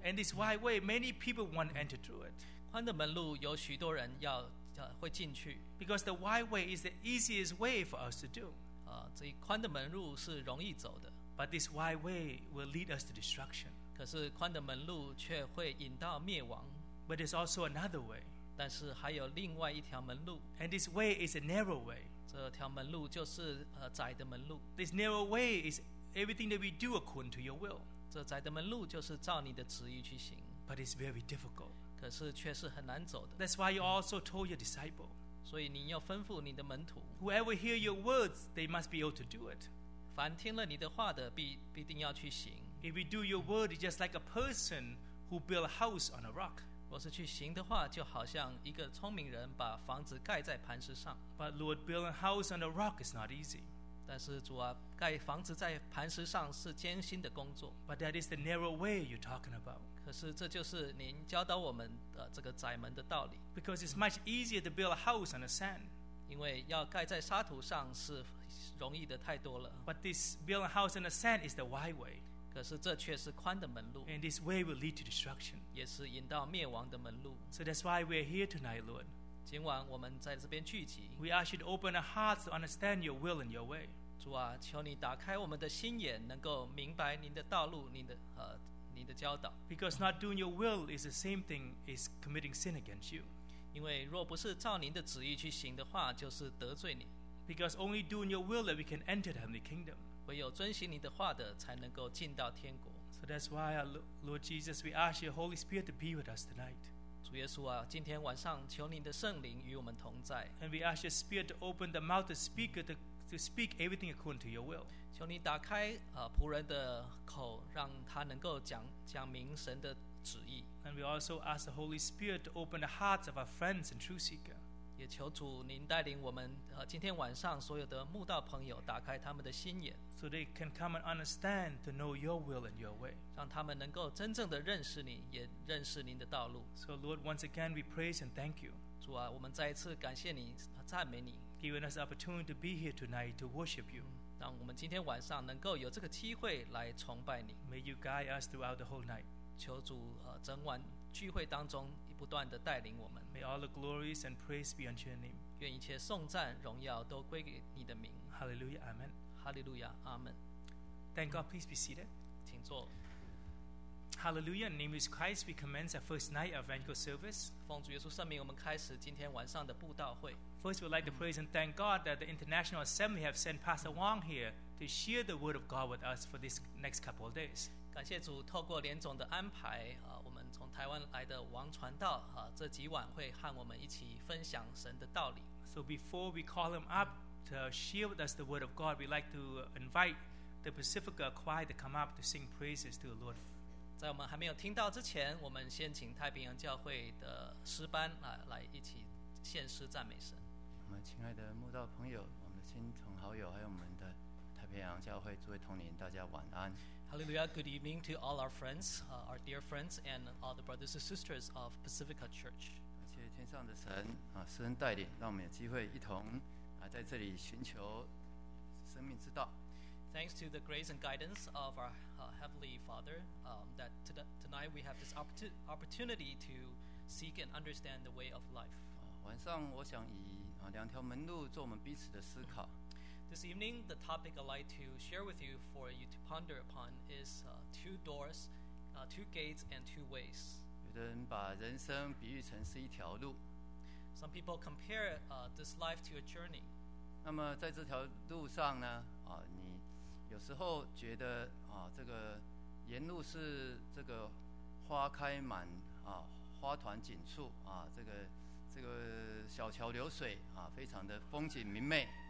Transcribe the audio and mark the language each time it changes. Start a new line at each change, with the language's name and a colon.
English: and this wide way many people want to enter through it
Chinese: 宽的门路有许多人要会进去
English: because the wide way is the easiest way for us to do
Chinese: 这宽的门路是容易走的
English: but this wide way will lead us to destruction
Chinese: 可是宽的门路却会引到灭亡
English: but there's also another way
Chinese: 但是还有另外一条门路
English: and this way is a narrow way
Chinese: 这条门路就是窄的门路
English: this narrow way is everything that we do according to your will
Chinese: 这窄的门路就是照你的旨意去行
English: But it's very difficult
Chinese: 可是却是很难走的。
English: That's why you also told your disciple.
Chinese: 所以你要吩咐你的门徒。
English: Whoever hear your words, they must be able to do it.
Chinese: 凡听了你的话的，必定要去行。
English: If we do your word, it's just like a person who built a house on a rock.
Chinese: 若是去行的话，就好像一个聪明人把房子盖在磐石上。
English: But Lord, building a house on a rock is not easy.
Chinese: 但是主啊，盖房子在磐石上是艰辛的工作。
English: But that is the narrow way you're talking about.
Chinese: 可是这就是您教导我们的这个窄门的道理。
English: Because it's much easier to build a house on the sand.
Chinese: 因为要盖在沙土上是容易的太多了。
English: But this building a house on the sand is the wide way.
Chinese: 可是这却是宽的门路。
English: And this way will lead to destruction.
Chinese: 也是引到灭亡的门路。
English: So that's why we're here tonight, Lord.
Chinese: 今晚我们在这边聚集。
English: We ask you to open our hearts to understand your will and your way.
Chinese: 主啊，求你打开我们的心眼，能够明白您的道路，您的教导。
English: Because not doing your will is the same thing as committing sin against you.
Chinese: 因为若不是照您的旨意去行的话，就是得罪你。
English: Because only doing your will that we can enter the heavenly kingdom.
Chinese: 唯有遵行你的话的，才能够进到天国。
English: So that's why, Lord Jesus, we ask your Holy Spirit to be with us tonight.
Chinese: 主耶稣啊，今天晚上求您的圣灵与我们同在。
English: And we ask your spirit to open the mouth of speaker to speak everything according to your will.
Chinese: 求你打开仆人的口，让他能够讲明神的旨意。
English: And we also ask the Holy Spirit to open the hearts of our friends and true seeker.
Chinese: 也求主您带领我们今天晚上所有的慕道朋友打开他们的心眼。
English: So they can come and understand to know your will and your way.
Chinese: 让他们能够真正的认识你，也认识您的道路。
English: So Lord, once again, we praise and thank you.
Chinese: 主啊，我们再一次感谢你，赞美你。
English: Giving us the opportunity to be here tonight to worship you.
Chinese: 让我们今天晚上能够有这个机会来崇拜你。
English: May you guide us throughout the whole night.
Chinese: 求主整晚聚会当中不断地带领我们。
English: May all the glories and praise be unto your name.
Chinese: 愿一切颂赞荣耀都归给你的名。
English: Hallelujah, Amen. Hallelujah, Amen. Thank God, please be seated.
Chinese: 请坐。
English: Hallelujah, in the name of Christ, we commence our first night of evangelical service.
Chinese: 奉主耶稣圣名，我们开始今天晚上的布道会。
English: First, we'd like to praise and thank God that the International Assembly have sent Pastor Wong here to share the word of God with us for this next couple of days.
Chinese: 感谢主透过连总的安排，我们从台湾来的王传道，这几晚会和我们一起分享神的道理。
English: So before we call him up,to share with us the word of God, we'd like to invite the Pacifica Choir to come up to sing praises to the Lord.
Chinese: 在我们还没有听到之前，我们先请太平洋教会的诗班来一起献诗赞美神。我们亲爱的慕道朋友，我们的亲朋好友，还有我们的太平洋教会诸位同龄，大家晚安。
English: Hallelujah, good evening to all our friends, our dear friends, and all the brothers and sisters of Pacifica Church.
Chinese: 感谢天上的神施恩带领，让我们有机会一同。在这里寻求生命之道。
English: Thanks to the grace and guidance of our Heavenly Father, that tonight we have this opportunity to seek and understand the way of life.
Chinese: 晚上我想以两条门路做我们彼此的思考。
English: This evening, the topic I'd like to share with you for you to ponder upon is two doors, two gates, and two ways.
Chinese: 有的人把人生比喻成是一条路。
English: Some people compare this life to a journey.
Chinese: 那么在这条路上呢，你有时候觉得这个沿路是这个花开满花团锦簇这个小桥流水非常的风景明媚。